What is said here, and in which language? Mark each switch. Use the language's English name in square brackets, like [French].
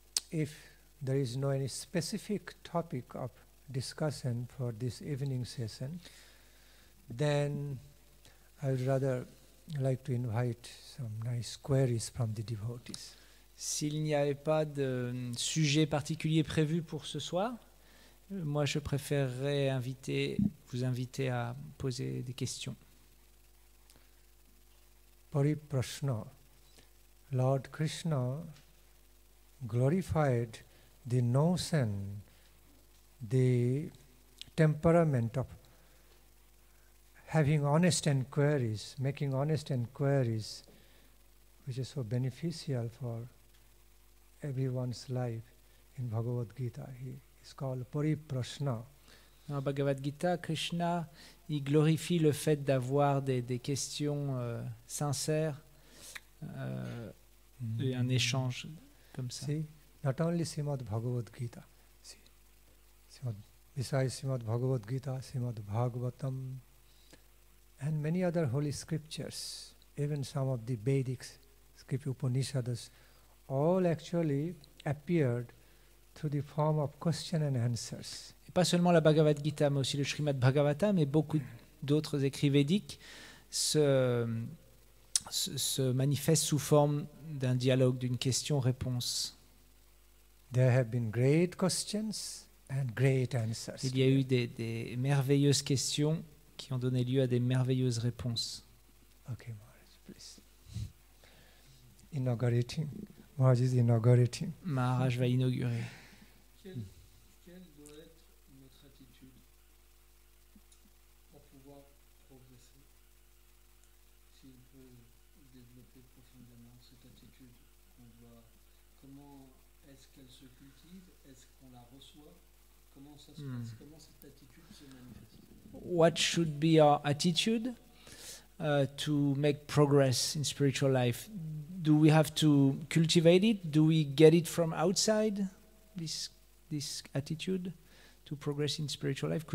[English] If there is no any specific topic of discussion for this evening session, then I would rather like to invite some nice queries from the devotees. [French] S'il n'y avait pas de sujet particulier prévu pour ce soir, moi je préférerais vous inviter à poser des questions. [Sanskrit] Pariprashna. [English] Lord Krishna glorified the notion, the temperament of having honest inquiries, making honest inquiries, which is so beneficial for everyone's life in Bhagavad Gita. He is called Pariprashna. In Bhagavad Gita, Krishna, he glorifies [French] le fait d'avoir des questions sincères et un échange comme ça. [English] See? Not only Srimad Bhagavad Gita, besides Srimad Bhagavad Gita, Srimad Bhagavatam, and many other holy scriptures, even some of the Vedic scriptures, Upanishads, all actually appeared through the form of question and answers. [French] Et pas seulement la Bhagavad Gita, mais aussi le Srimad Bhagavatam et beaucoup d'autres écrits védiques se manifestent sous forme d'un dialogue, d'une question-réponse. [English] There have been great questions and great answers. [French] Il y a eu des merveilleuses questions qui ont donné lieu à des merveilleuses réponses. [English] Okay, Maharaj, please. Inaugurating. Maharaj is inaugurating. [French] Maharaj va inaugurer. Quelle doit être notre attitude pour pouvoir progresser? Si on peut développer profondément cette attitude, qu'on doit, comment est-ce qu'elle se cultive? Est-ce qu'on la reçoit? Comment ça se passe? Comment cette attitude se manifeste? [English] What should be our attitude to make progress in spiritual life? Do we have to cultivate it? Do we get it from outside, this attitude to progress in spiritual life?